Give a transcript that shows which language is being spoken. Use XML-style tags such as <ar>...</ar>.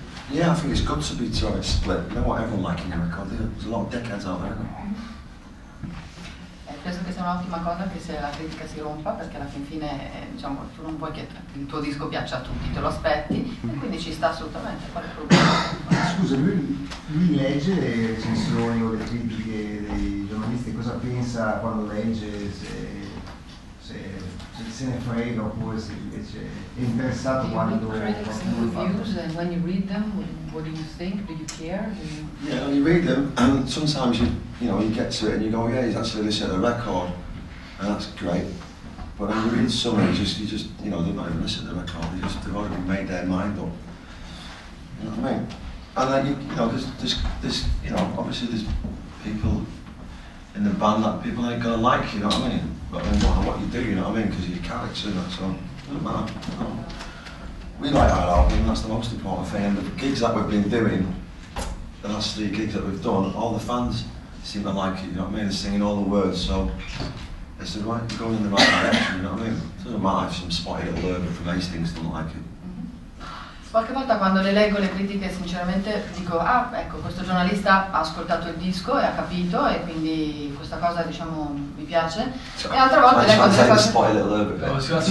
<en>Yeah, I think it's good to be sort of split. You know what, everyone liking a record, there's a lot of dickheads out there.</en> <it>Penso che sia un'ottima cosa che se la critica si rompa, perché alla fin fine, diciamo, tu non vuoi che il tuo disco piaccia a tutti, te lo aspetti, e quindi ci sta assolutamente. Qual è il problema? Scusa, lui legge le recensioni o le critiche dei giornalisti, cosa pensa quando legge, se ne frega, oppure se invece è interessato quando</it> <en>when you read them, what do you think? Do you care? Yeah, when you read them, and sometimes you get to it and you go, yeah, he's actually listening to the record, and that's great. But when you read some, you just they're not even listening to the record, they've already made their mind up. You know what I mean? And then obviously there's people in the band that people ain't gonna like, you know what I mean? But then what you do, you know what I mean? Because your character, that's all. Doesn't matter. We like our album, that's the most important thing. The gigs that we've been doing, the last three gigs that we've done, all the fans seem to like it, you know what I mean? They're singing all the words, so it's the right, going in the right direction, you know what I mean? Doesn't matter if some spotty little urban from Hastings don't like it.</en> <it>Qualche volta quando le leggo le critiche sinceramente dico, ah ecco, questo giornalista ha ascoltato il disco e ha capito e quindi questa cosa, diciamo, mi piace. E altre volte leggo delle cose...</it>